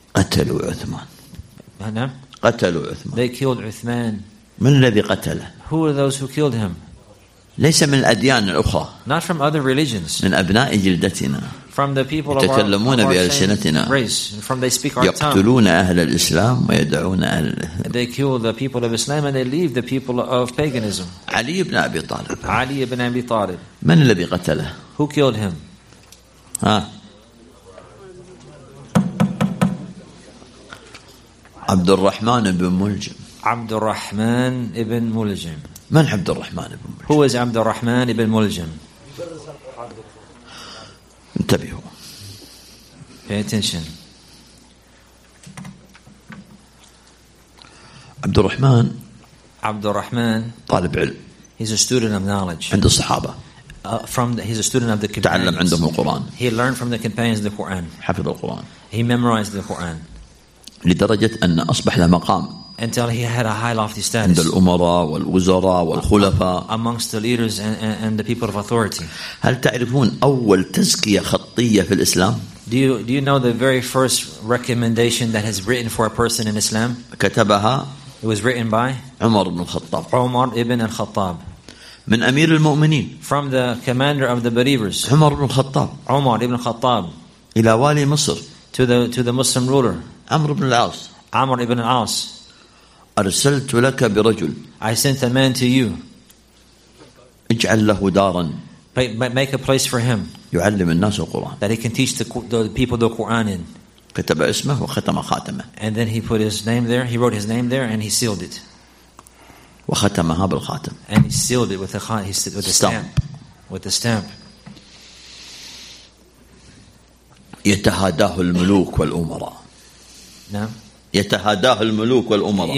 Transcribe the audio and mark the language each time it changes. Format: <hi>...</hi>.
<ar>قتلوا عثمان. نعم. قتلوا عثمان.</ar> <en>They killed Uthman.</en> <ar>من الذي قتله?</ar> <en>Who are those who killed him?</en> <ar>ليس من الأديان الأخرى.</ar> <en>Not from other religions.</en> <ar>من أبناء جلدتنا.</ar> <en>From the people of our race. From they speak our tongue.</en> <ar>يقتلون أهل الإسلام ويدعون أهل الإسلام.</ar> <en>They kill the people of Islam and they leave the people of paganism.</en> <ar>علي بن أبي طالب. علي بن أبي طالب. من الذي قتله?</ar> <en>Who killed him?</en> <ar>عبد الرحمن بن ملجم. عبد الرحمن بن ملجم. من عبد الرحمن بن ملجم?</ar> <en>Who is عبد الرحمن بن ملجم?</en> <ar>انتبهوا.</ar> <en>Pay attention.</en> <ar>عبد الرحمن. عبد الرحمن. طالب علم.</ar> <en>He's a student of knowledge.</en> <ar>عند الصحابة.</ar> <en>He's a student of the companions.</en> <ar>تعلم عندهم القرآن.</ar> <en>He learned from the companions the Quran.</en> <ar>حفظ القرآن.</ar> <en>He memorized the Quran.</en> <ar>لدرجة أن أصبح له مقام.</ar> <en>Until he had a high lofty status.</en> <ar>عند الأمراء والوزراء والخلفاء.</ar> <en>Amongst the leaders and the people of authority.</en> <ar>هل تعرفون أول تزكية خطية في الإسلام?</ar> <en>Do you know the very first recommendation that has written for a person in Islam?</en> <ar>كتبها.</ar> <en>It was written by.</en> <ar>عمر بن الخطاب. عمر ابن الخطاب. من أمير المؤمنين.</ar> <en>From the commander of the believers.</en> <ar>عمر بن الخطاب. عمر ابن الخطاب. إلى والي مصر.</ar> <en>To the Muslim ruler.</en> <ar>عمر بن العاص. عمر ابن العاص. أرسلت لك برجل.</ar> <en>I sent a man to you.</en> <ar>اجعل له دارا.</ar> <en>Make a place for him.</en> <ar>يعلم الناس القرآن.</ar> <en>That he can teach the people the Quran in.</en> <ar>كتب اسمه وختم خاتمه.</ar> <en>And then he put his name there. He wrote his name there and he sealed it.</en> <ar>وختمها بالخاتم.</ar> <en>And he sealed it with a stamp. With a stamp.</en> <ar>يتهاداه الملوك والأمراء. نعم. يتهاداه الملوك والأمراء.</ar>